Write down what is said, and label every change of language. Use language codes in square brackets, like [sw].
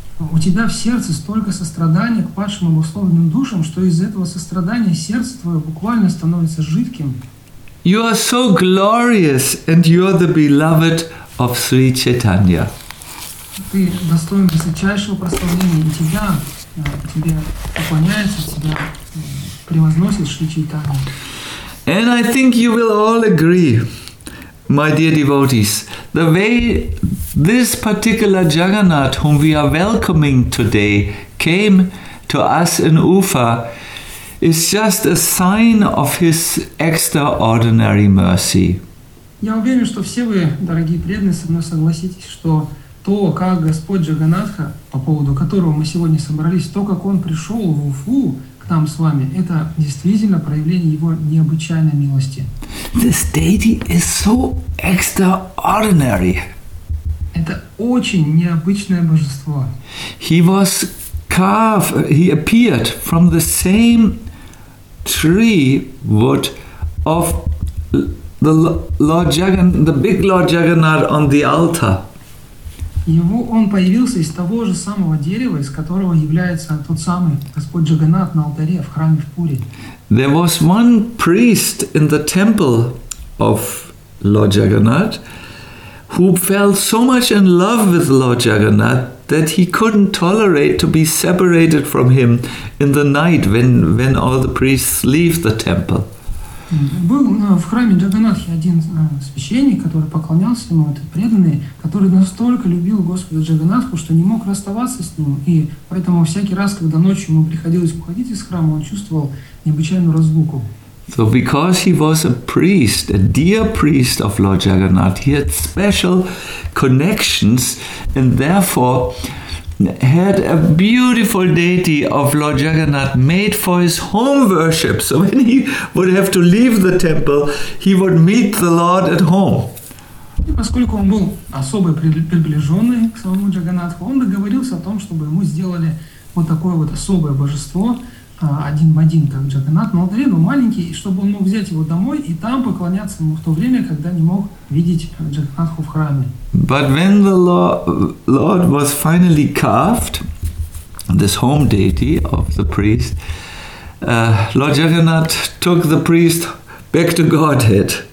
[ru] У тебя в сердце столько сострадания к падшим обусловленным душам, что из этого сострадания сердце твое буквально становится жидким. [en] You are so glorious, and you are the beloved of Sri Chaitanya. [ru] Ты достоин высочайшего прославления, и тебя, тебе поклоняется, тебя превозносит Шри Чайтанья. [en] And I think you will all agree, my dear devotees, the way this particular Jagannath, whom we are welcoming today, came to us in Ufa, is just a sign of his extraordinary mercy. [ru] Я уверен, что все вы, дорогие преданные, со мной согласитесь, что то, как Господь Джаганатха, по поводу которого мы сегодня собрались, то, как он пришел в Уфу к нам с вами, это действительно проявление его необычайной милости. [en] This deity is so extraordinary. [ru] Это очень необычное божество. [en] He was carved, he appeared from the same tree wood of the Lord Jagan, the big Lord Jagannath on the altar. [ru] Его он появился из того же самого дерева, из которого является тот самый Господь Джаганнат на алтаре в храме в Пури. [en] There was one priest in the temple of Lord Jagannath who fell so much in love with Lord Jagannath that he couldn't tolerate to be separated from him in the night when all the priests leave the temple. [ru] Был в храме Джаганнатхи один священник, который поклонялся ему, этот преданный, который настолько любил Господа Джаганнатху, что не мог расставаться с ним. И поэтому всякий раз, когда ночью ему приходилось уходить из храма, он чувствовал необычайную разлуку. [en] So because he was a priest, a dear priest of Lord Jagannath, he had special connections and therefore had a beautiful deity of Lord Jagannath made for his home worship. So when he would have to leave the temple, he would meet the Lord at home. [ru] И поскольку он был особо приближенный к самому Джаганнатху, он договорился о том, чтобы ему сделали вот такое вот особое божество, один в один, как Джаганнатх, но древний, маленький, чтобы он мог взять его домой и там поклоняться ему в то время, когда не мог видеть Джаганнатху в храме. [en] But when the Lord was finally carved, this home deity of the priest, Lord Jagannath took the priest back to Godhead.